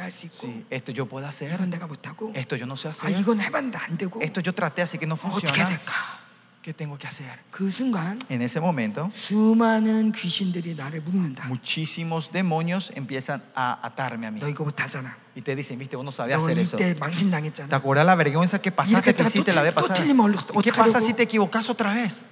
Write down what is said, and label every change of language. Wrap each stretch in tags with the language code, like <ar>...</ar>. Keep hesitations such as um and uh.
<es>Sí, esto yo puedo hacer. Esto yo no sé hacer. Esto yo traté así que no funciona. que tengo que hacer.</es> <ko>그 순간,</ko> <es>en ese momento,</es> <ko>수많은 귀신들이 나를 묶는다.</ko> <es>Muchísimos demonios empiezan a atarme a mí.</es> <ko>너 이거 못하잖아.</ko> <es>Y te dicen, viste, uno sabía hacer eso.</es> <ko>망신당했잖아.</ko> <es>¿Te acuerdas la vergüenza que pasaste que hiciste la vez pasada?</es> <ko>틀리면,</ko> <es>¿Y qué pasa si te equivocas otra vez?</es>